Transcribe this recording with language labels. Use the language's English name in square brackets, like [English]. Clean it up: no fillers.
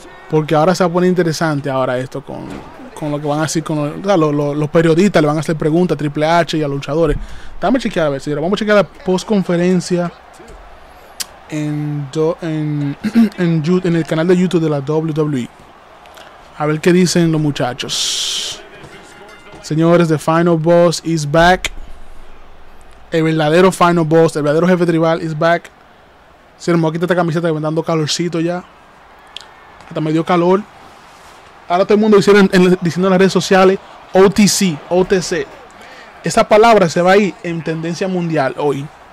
[Spanish] Porque ahora se va a poner interesante ahora esto con lo que van a decir con los periodistas. Le van a hacer preguntas a Triple H y a los luchadores. Dame chequear a ver, señora. Vamos a chequear la postconferencia en el canal de YouTube de la WWE. A ver qué dicen los muchachos. [English] Señores, The Final Boss is back. [Spanish] El verdadero Final Boss, el verdadero jefe tribal [English] is back. [Spanish] Señor, me voy a quitar esta camiseta que me está dando calorcito ya. Hasta me dio calor. Ahora todo el mundo diciendo en las redes sociales, OTC, OTC. Esa palabra se va a ir en tendencia mundial hoy.